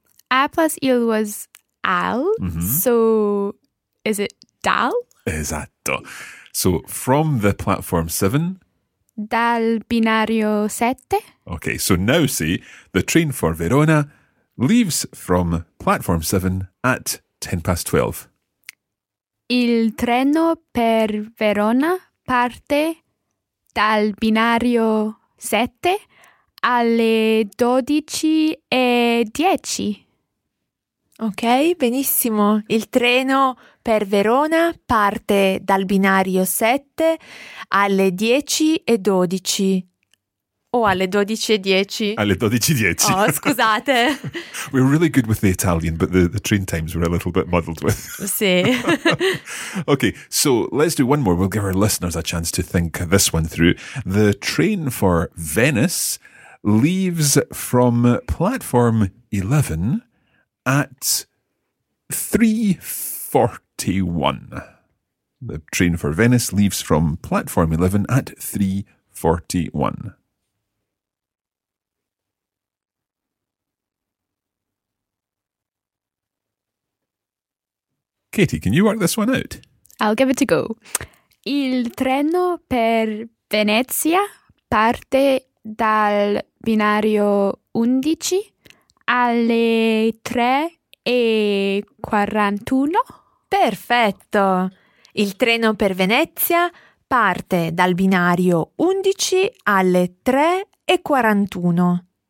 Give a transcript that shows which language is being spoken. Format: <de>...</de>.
<en>A plus il was al, mm-hmm. So is it dal?</en> <it>Esatto.</it> <en>So from the platform 7.</en> <it>Dal binario 7.</it> <en>Okay, so now see, the train for Verona leaves from platform 7 at 12:10.</en> <it>Il treno per Verona parte dal binario 7 alle 12:10. Ok, benissimo. Il treno per Verona parte dal binario 7 alle 10:12. O alle 12:10. Alle 12:10. Oh, scusate.</it> <en>We're really good with the Italian, but the train times were a little bit muddled with.</en> <it>Sì.</it> <en>Okay, so let's do one more. We'll give our listeners a chance to think this one through. The train for Venice leaves from platform 11 at 3:41. The train for Venice leaves from platform 11 at 3:41. Katie, can you work this one out? I'll give it a go.</en> <it>Il treno per Venezia parte dal binario 11 alle 3 e 9:41. Perfetto! Il treno per Venezia parte dal binario 11 alle 3:41.</it>